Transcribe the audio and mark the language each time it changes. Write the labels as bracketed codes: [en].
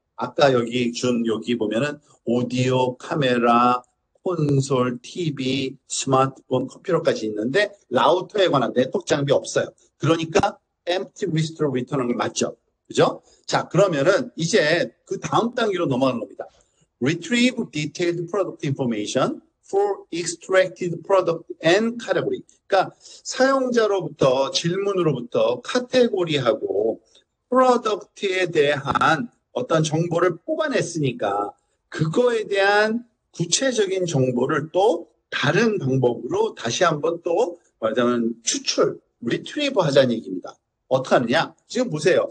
[ko] 아까 여기 준 여기 보면은 오디오, 카메라, 콘솔, TV, 스마트폰, 컴퓨터까지 있는데 라우터에 관한 네트워크 장비 없어요. 그러니까 empty list로 return하는 게 맞죠? 그죠? 자, 그러면은 이제 그 다음 단계로 넘어가는 겁니다. [en] Retrieve detailed product information for extracted product and category. [ko] 그러니까 사용자로부터 질문으로부터 카테고리하고 프로덕트에 대한 어떤 정보를 뽑아냈으니까 그거에 대한 구체적인 정보를 또 다른 방법으로 다시 한번 또 말하자면 추출, 리트리버 하자는 얘기입니다. 어떡하느냐? 지금 보세요.